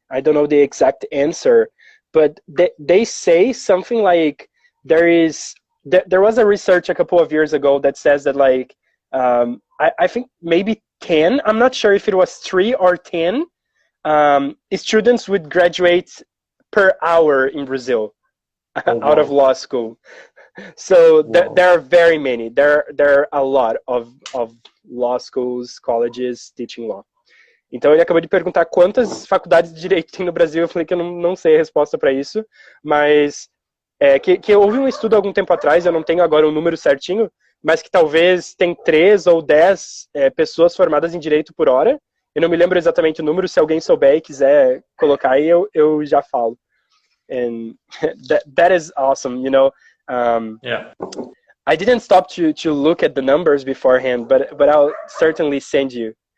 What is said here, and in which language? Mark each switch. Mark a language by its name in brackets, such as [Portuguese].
[English] I don't know the exact answer. But they say something like there was a research a couple of years ago that says that, like, I think maybe 10, I'm not sure if it was 3 or 10, students would graduate per hour in Brazil. Oh, out wow. of law school. So there are very many. There are a lot of law schools, colleges teaching law. [Portuguese] Então, ele acabou de perguntar quantas faculdades de direito tem no Brasil. Eu falei que eu não sei a resposta para isso. Mas que houve um estudo algum tempo atrás, eu não tenho agora o número certinho, mas que talvez tem 3 ou 10 pessoas formadas em direito por hora. Eu não me lembro exatamente o número. Se alguém souber e quiser colocar aí, eu já falo. [English] And that is awesome, you know. Yeah. I didn't stop to look at the numbers beforehand, but I'll certainly send you.